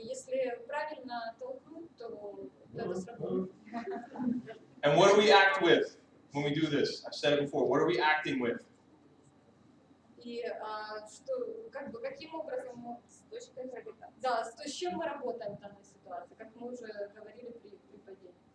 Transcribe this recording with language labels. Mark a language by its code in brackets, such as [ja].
[ru] Если правильно толкнуть, то это сработает. [en] And what do we act with when we do this? I've said it before. What are we acting with? [ru] И что, как бы, каким образом, с точки зрения, да, с чем мы работаем в данной ситуации, как мы уже говорили при падении.